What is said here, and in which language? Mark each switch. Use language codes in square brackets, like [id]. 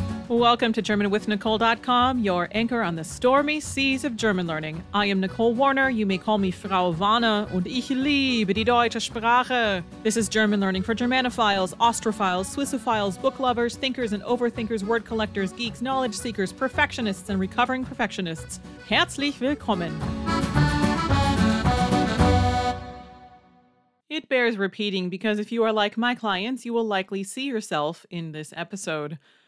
[en] Welcome to GermanWithNicole.com, your anchor on the stormy seas of German learning. I am Nicole Warner, you may call me Frau Warner, [de] und ich liebe die deutsche Sprache. [en] This is German learning for Germanophiles, Austrophiles, Swissophiles, book lovers, thinkers and overthinkers, word collectors, geeks, knowledge seekers, perfectionists and recovering perfectionists. [de] Herzlich willkommen! [en] It bears repeating because if you are like my clients, you will likely see yourself in this episode.